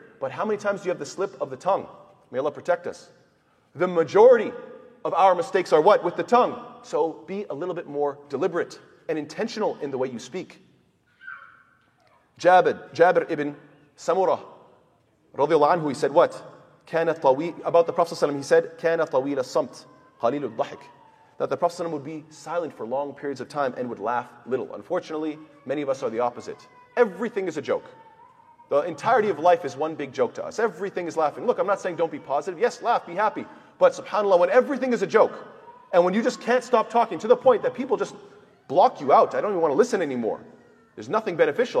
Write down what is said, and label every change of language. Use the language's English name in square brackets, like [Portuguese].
[English] But how many times do you have the slip of the tongue? May Allah protect us. The majority of our mistakes are what? With the tongue. So be a little bit more deliberate and intentional in the way you speak. Jabir ibn Samurah, radiallahu anhu, he said what? About the Prophet ﷺ, he said, [Arabic] كَانَ طَوِيلَ الصَّمْتِ قَلِيلُ الضَّحِكِ. [English] That the Prophet ﷺ would be silent for long periods of time and would laugh little. Unfortunately, many of us are the opposite. Everything is a joke. The entirety of life is one big joke to us. Everything is laughing. Look, I'm not saying don't be positive. Yes, laugh, be happy. But subhanAllah, when everything is a joke, and when you just can't stop talking to the point that people just block you out, I don't even want to listen anymore. There's nothing beneficial.